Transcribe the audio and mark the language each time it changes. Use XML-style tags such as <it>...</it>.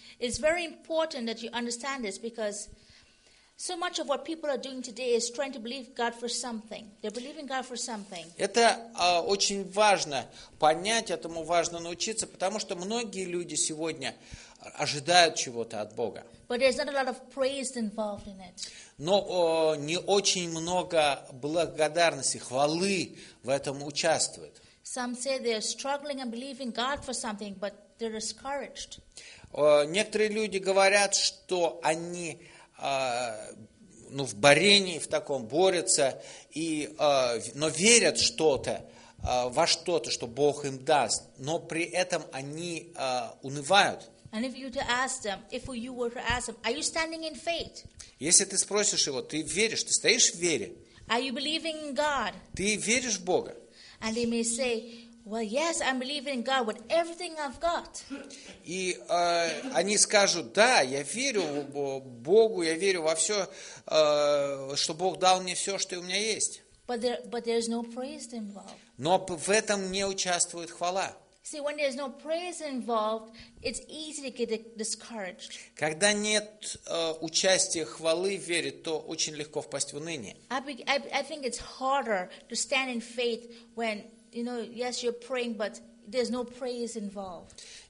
<en>It's very important that you understand this, because so much of what people are doing today is trying to believe God for something. They're believing God for something.</en> <ru>Это очень важно понять, этому важно научиться, потому что многие люди сегодня ожидают чего-то от Бога.</ru> <en>But there's not a lot of praise involved in it.</en> <ru>Но не очень много благодарности, хвалы в этом участвует.</ru> <en>Some say they're struggling and believing God for something, but they're discouraged.</en> <ru>Некоторые люди говорят, что они в борении, в таком борются, но верят что-то, во что-то, что Бог им даст, но при этом они унывают.</ru> <en>And if you to ask them, if you were to ask them, are you standing in faith?</en> <ru>Если ты спросишь его, ты веришь, ты стоишь в вере?</ru> <en>Are you believing in God?</en> <ru>Ты веришь в Бога?</ru> <en>And they may say, well, yes, I'm believing in God with everything I've got.</en> <ru>И они скажут, да, я верю в Богу, я верю во все, что Бог дал мне все, что у меня есть.</ru> <en>But there's no praise involved.</en> <ru>Но в этом не участвует хвала.</ru> <en>See, when there's no praise involved, it's easy to get discouraged.</en> <ru>Когда нет участия хвалы в вере, то очень легко впасть в уныние.</ru> <en>I think it's harder to stand in faith when, you know, yes, you're praying, but there's no praise involved.</en>